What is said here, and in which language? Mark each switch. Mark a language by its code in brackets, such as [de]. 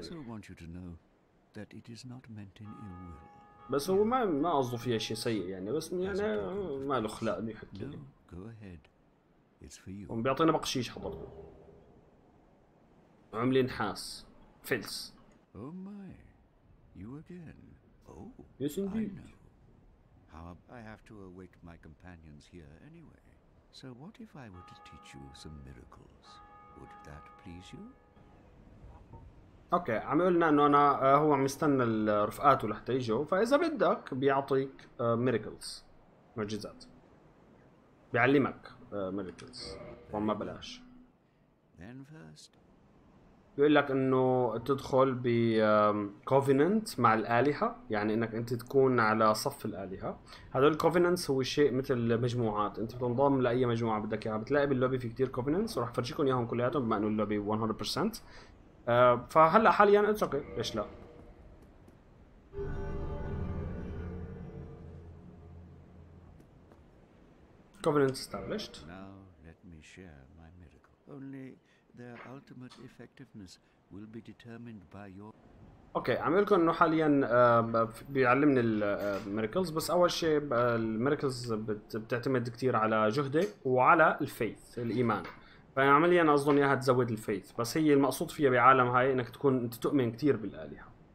[en] I also want you to know that it is not meant in ill will. [ar] بس هو ما قصده فيها شيء سيء يعني، بس يعني ما له خلق انه يحكيني. [en] No, go ahead. It's for you. [ar] هم بيعطينا بقشيش حضرته. عملة نحاس. فلس. [en] Oh my. You again. Oh. Yes indeed. I know. I have to await my companions here anyway. So what if I were to teach you some miracles? Would that please you? [ar] اوكي، عم يقول لنا انه انا هو عم يستنى رفقاته لحتى يجوا، فاذا بدك بيعطيك ميراكلز، معجزات. بيعلمك ميراكلز، وما بلاش. [en] Then first. [ar] بيقول لك انه تدخل ب كوفيننت مع الالهه، يعني انك انت تكون على صف الالهه. هذول الكوفيننتس هو شيء مثل مجموعات، انت بتنضم لاي مجموعه بدك اياها. بتلاقي باللوبي في كثير كوفيننتس، وراح افرجيكم اياهم كلياتهم بما انه اللوبي 100%. فهلا حاليا [en] it's okay, [ar] ليش لا؟ [en] Covenant established. Now let me share my miracle. Only their ultimate effectiveness will be determined by your. [ar] اوكي، عم اقول لكم انه حاليا بيعلمني الميركلز، بس اول شيء الميركلز بتعتمد كثير على جهدي وعلى الفيث، الايمان. فعمليا اظن اياها تزود الفيث، بس هي المقصود فيها بعالم هاي انك تكون انت تؤمن كثير بالالهه.